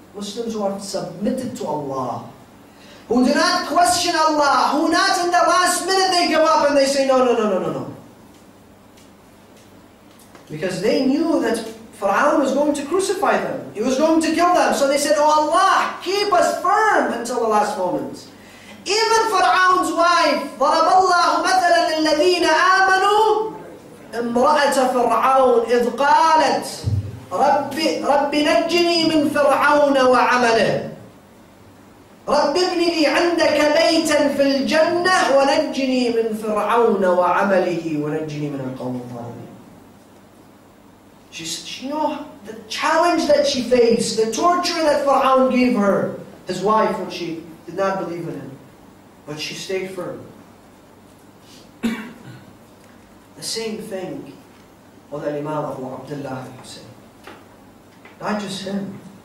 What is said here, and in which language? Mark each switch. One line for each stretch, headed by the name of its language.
English: Muslims who are submitted to Allah. Who do not question Allah. Who not in the last minute they give up and they say, no. Because they knew that Fir'aun was going to crucify them. He was going to kill them. So they said, oh Allah, keep us firm until the last moment. Even Fir'aun's wife,
Arabic: ضَرَبَ اللَّهُ مَثَلًا لِلَّذِينَ آمَنُوا امرأة فرعون إذ قالت رب نجني من فرعون وعمله رب ابني لي عندك بيتا في الجنة ونجني من فرعون وعمله ونجني من القوم الظالمين.
English: She know the challenge that she faced, the torture that Fir'aun gave her, his wife, when she did not believe in him. But she stayed firm. The same thing with Imam Abu Abdullah Hussein. Not just him.